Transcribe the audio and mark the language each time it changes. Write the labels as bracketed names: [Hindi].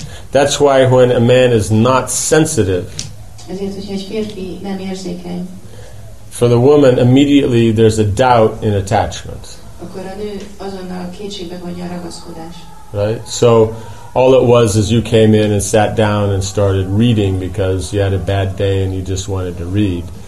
[English] That's why when a man is not sensitive, [Hungarian] ezért, hogyha egy férfi nem érzékeny, [English] for the woman, immediately there's a doubt in attachment. [Hungarian] Akkor a nő azonnal kétségbe vonja a ragaszkodás. [English] Right? So, all it was is you came in and sat down and started reading because you had a bad day and you just wanted to read.